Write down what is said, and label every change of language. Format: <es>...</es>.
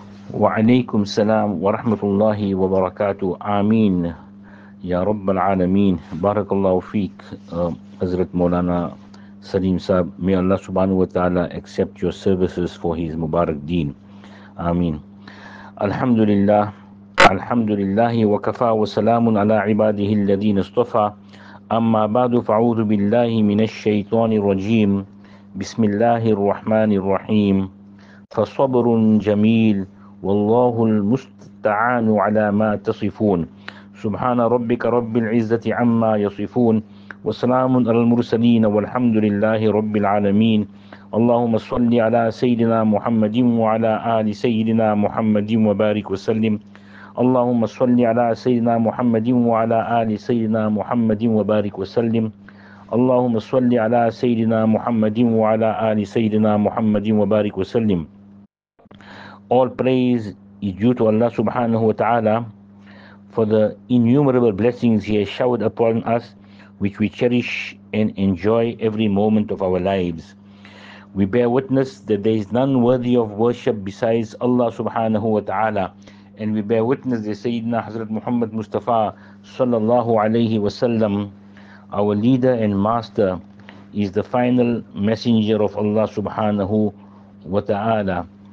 <ar>وعليكم السلام ورحمة الله وبركاته. آمين يا رب العالمين. بارك الله فيك حضرت مولانا سليم صاحب.</ar> <en>May Allah subhanahu wa ta'ala accept your services for his mubarak deen.</en> <ar>آمين. الحمد لله الحمد لله وكفى وسلام على عباده الذين اصطفى. أما بعد فأعوذ بالله من الشيطان الرجيم. بسم الله الرحمن الرحيم. فصبر جميل والله المستعان على ما تصفون. سبحان ربك رب العزة عما يصفون وسلام على المرسلين والحمد لله رب العالمين. اللهم صل على سيدنا محمد وعلى آل سيدنا محمد وبارك وسلم. اللهم صل على سيدنا محمد وعلى آل سيدنا محمد وبارك وسلم. اللهم صل على سيدنا محمد وعلى آل سيدنا محمد وبارك وسلم.</ar> <en>All praise is due to Allah subhanahu wa ta'ala for the innumerable blessings He has showered upon us, which we cherish and enjoy every moment of our lives. We bear witness that there is none worthy of worship besides Allah subhanahu wa ta'ala, and we bear witness that Sayyidina Hazrat Muhammad Mustafa sallallahu alayhi wa sallam, our leader and master, is the final messenger of Allah subhanahu wa ta'ala.</en>